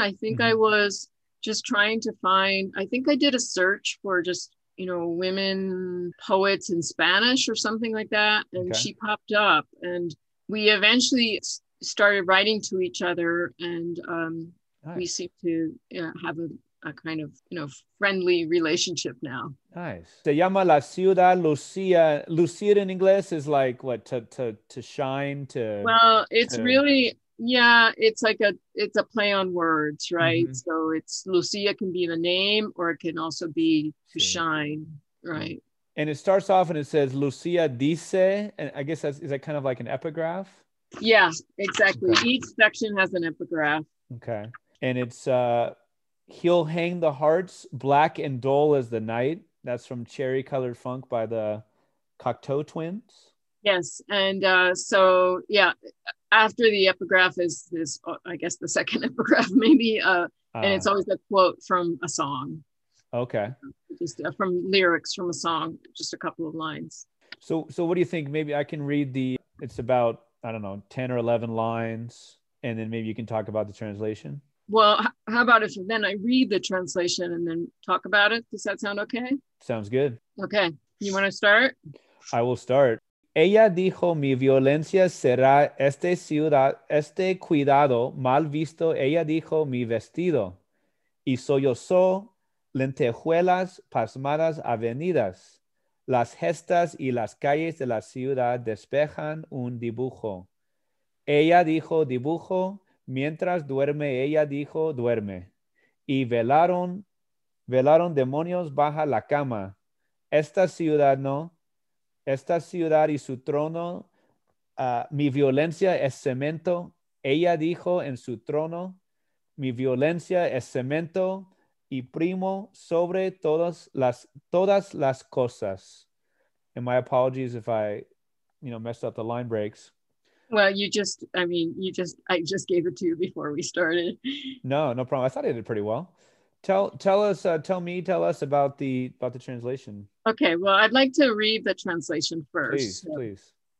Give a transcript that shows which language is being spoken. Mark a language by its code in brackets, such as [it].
[en] I think mm-hmm. I was just trying to find, I think I did a search for just, you know, women poets in Spanish or something like that. And okay. she popped up and we eventually started writing to each other. And nice. We seem to have a kind of, you know, friendly relationship now. [es] Nice. Se llama La Ciudad Lucía. [en] Lucía in English is like what, to shine, to. Well, it's really, yeah, it's like it's a play on words, right? Mm-hmm. So it's Lucía can be the name or it can also be to shine, right? And it starts off and it says, [es] Lucía dice, [en] and I guess that's, is that kind of like an epigraph? Yeah, exactly. Okay. Each section has an epigraph. Okay. And it's, he'll hang the hearts black and dull as the night. That's from Cherry Colored Funk by the Cocteau Twins. Yes. And so, yeah, after the epigraph is this, I guess the second epigraph maybe, and it's always a quote from a song. Okay. Just from lyrics from a song, just a couple of lines. So what do you think? Maybe I can read the, it's about, I don't know, 10 or 11 lines, and then maybe you can talk about the translation. Well, how about if then I read the translation and then talk about it? Does that sound okay? Sounds good. Okay. You want to start? I will start. [es] Ella dijo mi violencia será este ciudad, este cuidado mal visto. Ella dijo mi vestido. Y sollozó lentejuelas pasmadas avenidas. Las gestas y las calles de la ciudad despejan un dibujo. Ella dijo dibujo. Mientras duerme, ella dijo, duerme. Y velaron demonios baja la cama. Esta ciudad no. Esta ciudad y su trono. Mi violencia es cemento. Ella dijo en su trono. Mi violencia es cemento. Y primo sobre todas las cosas. [en] And my apologies if I, you know, messed up the line breaks. Well, I just gave it to you before we started. No problem. I thought I did pretty well. Tell us about the translation. Okay, well, I'd like to read the translation first. Please, so, please.